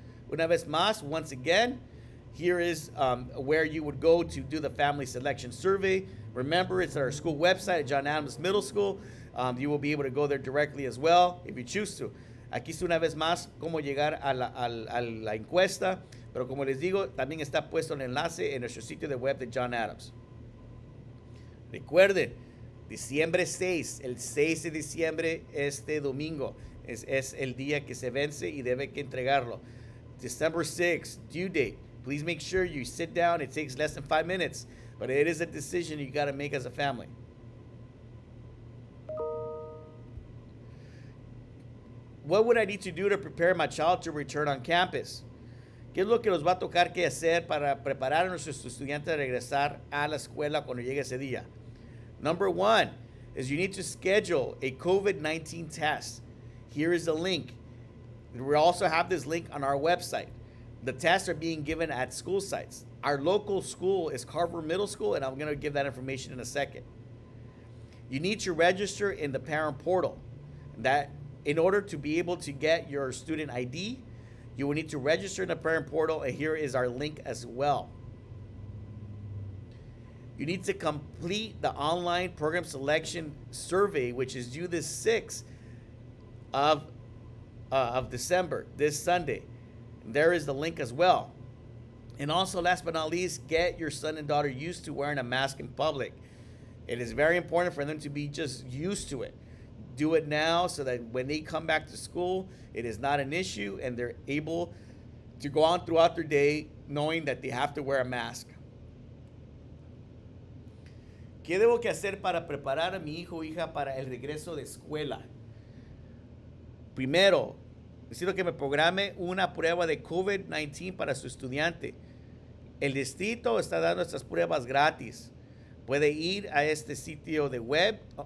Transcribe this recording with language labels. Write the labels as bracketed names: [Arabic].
[Spanish] Una vez más, [English] once again, here is where you would go to do the family selection survey. Remember, it's our school website at John Adams Middle School. You will be able to go there directly as well if you choose to. [Spanish] Aquí está una vez más cómo llegar a la encuesta, pero como les digo, también está puesto el enlace en nuestro sitio de web de John Adams. Recuerden, diciembre 6, el 6 de diciembre, este domingo, es el día que se vence y debe que entregarlo. [English] December 6, due date. Please make sure you sit down. It takes less than 5 minutes, but it is a decision you got to make as a family. What would I need to do to prepare my child to return on campus? [Spanish] ¿Qué es lo que nos va a tocar que hacer para preparar a nuestros estudiantes a regresar a la escuela cuando llegue ese día? [English] Number one is you need to schedule a COVID-19 test. Here is the link. We also have this link on our website. The tests are being given at school sites. Our local school is Carver Middle School, and I'm going to give that information in a second. You need to register in the parent portal. That in order to be able to get your student ID, you will need to register in the parent portal, and here is our link as well. You need to complete the online program selection survey, which is due this 6th of December, this Sunday. There is the link as well. And also, last but not least, get your son and daughter used to wearing a mask in public. It is very important for them to be just used to it. Do it now so that when they come back to school, it is not an issue and they're able to go on throughout their day knowing that they have to wear a mask. [Spanish] ¿Qué debo que hacer para preparar a mi hijo o hija para el regreso de escuela? Primero, necesito que me programe una prueba de COVID-19 para su estudiante. El distrito está dando estas pruebas gratis. Puede ir a este sitio de web